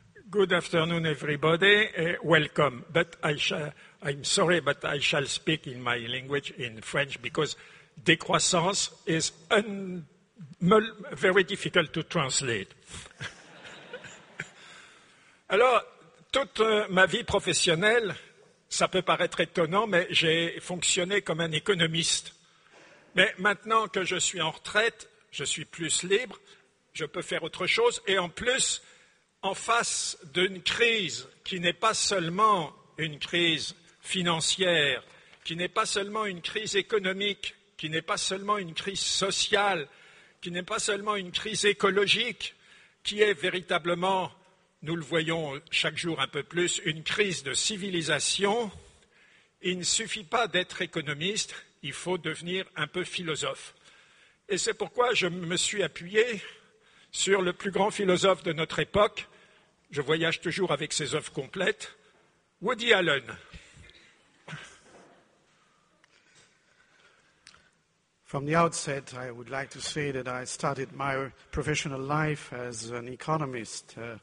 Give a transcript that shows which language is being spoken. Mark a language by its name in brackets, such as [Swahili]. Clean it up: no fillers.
[English] Good afternoon, everybody. Welcome. But I'm sorry, but I shall speak in my language, in French, because décroissance is very difficult to translate. [French] Alors, toute ma vie professionnelle, ça peut paraître étonnant, mais j'ai fonctionné comme un économiste. Mais maintenant que je suis en retraite, je suis plus libre, je peux faire autre chose. Et en plus, en face d'une crise qui n'est pas seulement une crise financière, qui n'est pas seulement une crise économique, qui n'est pas seulement une crise sociale, qui n'est pas seulement une crise écologique, qui est véritablement, nous le voyons chaque jour un peu plus, une crise de civilisation, il ne suffit pas d'être économiste, il faut devenir un peu philosophe. Et c'est pourquoi je me suis appuyé sur le plus grand philosophe de notre époque, je voyage toujours avec ses œuvres complètes, Woody Allen. [English] From the outset, I would like to say that I started my professional life as an economist.